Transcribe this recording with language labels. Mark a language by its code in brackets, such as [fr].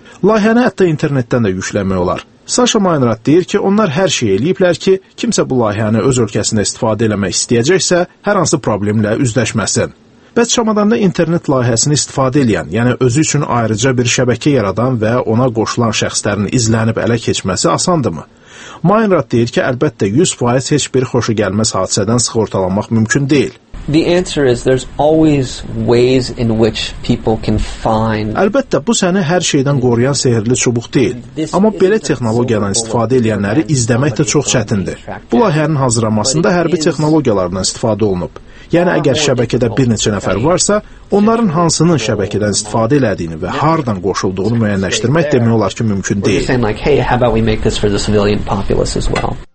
[az] Layihəni hətta internetdən də yükləmək olar. Sasha Maitrant deyir ki, onlar hər şey eləyiblər ki, kimsə bu layihəni öz ölkəsində istifadə eləmək istəyəcəksə, hər hansı problemlə üzləşməsin. Bəs çamadanda internet layihəsini istifadə edən, yəni özü üçün ayrıca bir şəbəkə yaradan və ona qoşulan şəxslərin izlənib ələ keçməsi asandırmı? Maitrant deyir ki, əlbəttə 100% heç bir xoşagəlməz hadisədən sığortalanmaq mümkün deyil. [en] The answer is there's always ways in which people can find. [az] Əlbəttə bu səni hər şeydən qoruyan sehrli çubuq deyil. Amma belə texnologiyadan istifadə edənləri izləmək də çox çətindir. Bu layihənin hazırlanmasında hərbi texnologiyalardan istifadə olunub. Yəni əgər şəbəkədə bir neçə nəfər varsa, onların hansının şəbəkədən istifadə elədiyini və hardan qoşulduğunu müəyyənləşdirmək demək olar ki, mümkün deyil.